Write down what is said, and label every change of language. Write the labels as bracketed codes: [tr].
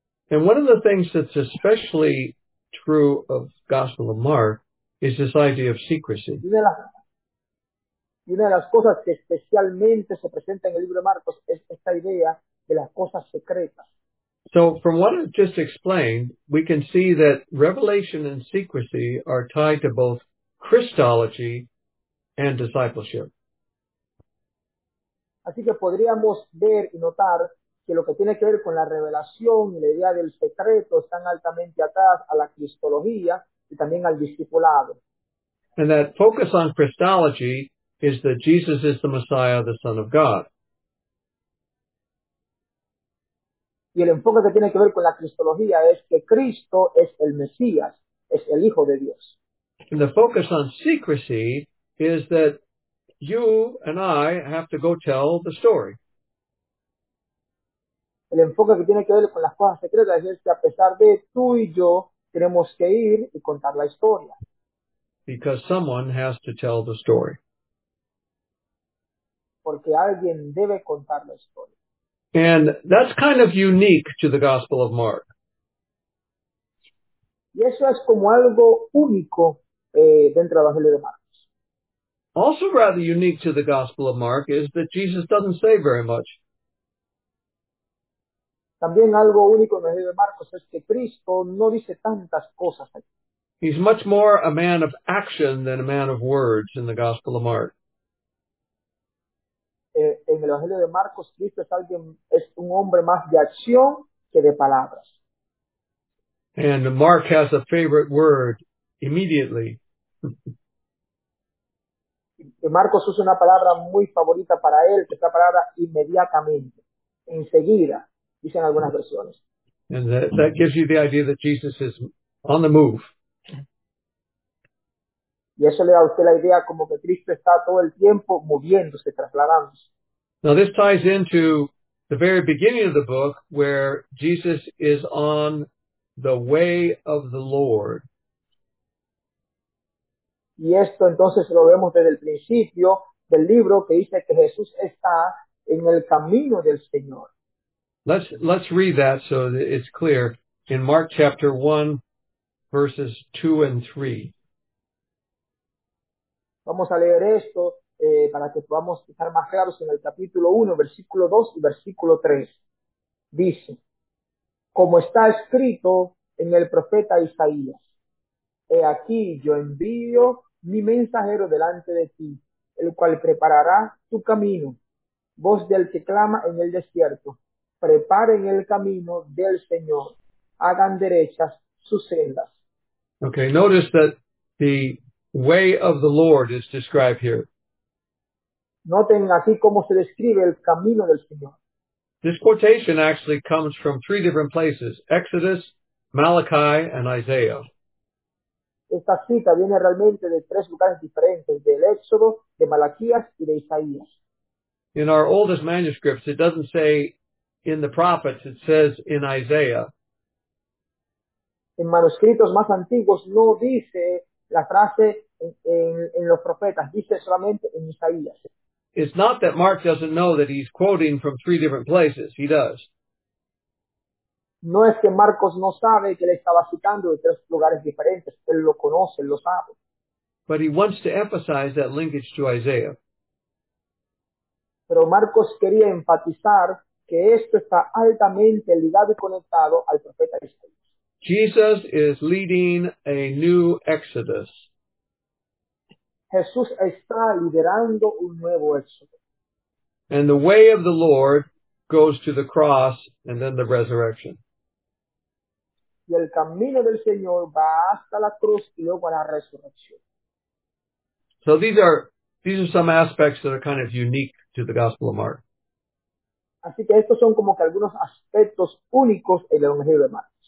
[en] And one of the things that's especially true of the Gospel of Mark is this idea of secrecy. [es] Y una de las cosas que especialmente se presenta en el libro de Marcos es esta idea de las cosas secretas. [en] So, from what I've just explained, we can see that revelation and secrecy are tied to both Christology and discipleship. [es] Así que podríamos ver y notar que lo que tiene que ver con la revelación y la idea del secreto están altamente atadas a la cristología y también al discipulado. [en] And that focus on Christology is that Jesus is the Messiah, the Son of God. [es] Y el enfoque que tiene que ver con la cristología es que Cristo es el Mesías, es el Hijo de Dios. [en] And the focus on secrecy is that you and I have to go tell the story. [es] El enfoque que tiene que ver con las cosas secretas es que a pesar de tú y yo, tenemos que ir y contar la historia. [en] Because someone has to tell the story. [es] Porque alguien debe contar la historia. [en] And that's kind of unique to the Gospel of Mark. [es] Y eso es como algo único dentro del Evangelio de Marcos. [en] Also rather unique to the Gospel of Mark is that Jesus doesn't say very much. [es] También algo único en el libro de Marcos es que Cristo no dice tantas cosas. [en] He's much more a man of action than a man of words in the Gospel of Mark. [es] En el Evangelio de Marcos, Cristo es un hombre más de acción que de palabras. [en] And Mark has a favorite word, immediately. [es] Y Marcos usa una palabra muy favorita para él, que es la palabra inmediatamente, enseguida. Dicen algunas versiones. [en] And that gives you the idea that Jesus is on the move. [es] Y eso le da a usted la idea como que Cristo está todo el tiempo moviéndose, trasladándose. [en] Now this ties into the very beginning of the book where Jesus is on the way of the Lord. [es] Y esto entonces lo vemos desde el principio del libro que dice que Jesús está en el camino del Señor. [en] Let's read that so that it's clear in Mark chapter 1, verses 2 and 3. [es] Vamos a leer esto para que podamos estar más claros en el capítulo 1, versículo 2 y versículo 3. Dice, como está escrito en el profeta Isaías, he aquí yo envío mi mensajero delante de ti, el cual preparará tu camino, voz del que clama en el desierto. Preparen el camino del Señor. Hagan derechas sus sendas. [en] Okay, notice that the way of the Lord is described here. [es] Noten aquí cómo se describe el camino del Señor. [en] This quotation actually comes from three different places, Exodus, Malachi, and Isaiah. [es] esta cita viene realmente de tres lugares diferentes, del Éxodo, de Malaquías y de Isaías. [en] In our oldest manuscripts, it doesn't say in the prophets, it says in Isaiah. [es] En manuscritos más antiguos no dice la frase en los profetas, dice solamente en Isaías. [en] It's not that Mark doesn't know that he's quoting from three different places. He does. [es] No es que Marcos no sabe que le estaba citando de tres lugares diferentes. Él lo conoce, él lo sabe. [en] But he wants to emphasize that linkage to Isaiah. [es] Pero Marcos quería enfatizar que esto está altamente ligado y conectado al profeta Isaías. [en] Jesus is leading a new exodus. [es] Jesús está liderando un nuevo éxodo. [en] And the way of the Lord goes to the cross and then the resurrection. [es] Y el camino del Señor va hasta la cruz y luego a la resurrección. [en] So these are some aspects that are kind of unique to the Gospel of Mark. [es] Así que estos son como que algunos aspectos únicos en el Evangelio de Marcos.